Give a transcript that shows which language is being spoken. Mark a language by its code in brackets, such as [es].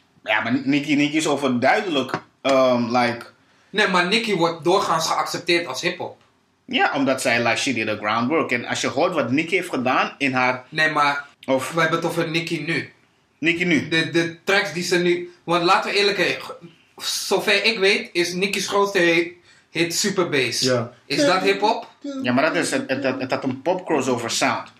[nl] Ja, maar Nicki is overduidelijk. Nee, maar Nicki wordt doorgaans geaccepteerd als hip-hop. Ja, omdat zij, [en] like, she did the groundwork. [nl] En als je hoort wat Nicki heeft gedaan in haar... Nee, maar we hebben het over Nicki nu. Nicki nu? De tracks die ze nu... Want laten we eerlijk zijn. Zover ik weet is Nicki's grootste hit Super Bass. Ja. Is dat hip-hop? Ja, maar dat is het had een [en] pop crossover sound.